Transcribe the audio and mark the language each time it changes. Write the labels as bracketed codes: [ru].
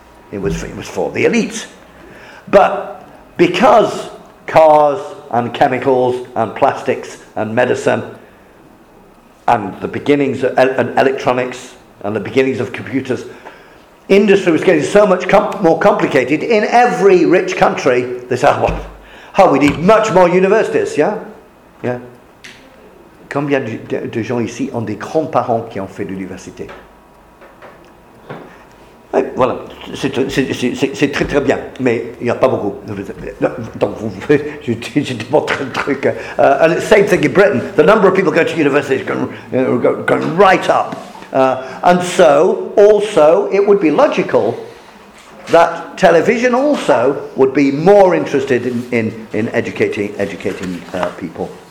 [en] It was for the elite. But because cars and chemicals and plastics and medicine and the beginnings of electronics and the beginnings of computers, industry was getting so much more complicated in every rich country. They said, we need much more universities. [fr] Combien de gens ici ont des grands-parents qui ont fait l'université? Voilà, c'est très très bien, mais il n'y a pas beaucoup. Donc, je te montre un truc. [en] And the same thing in Britain. The number of people going to university is going right up. And so, also, it would be logical that television also would be more interested in educating people.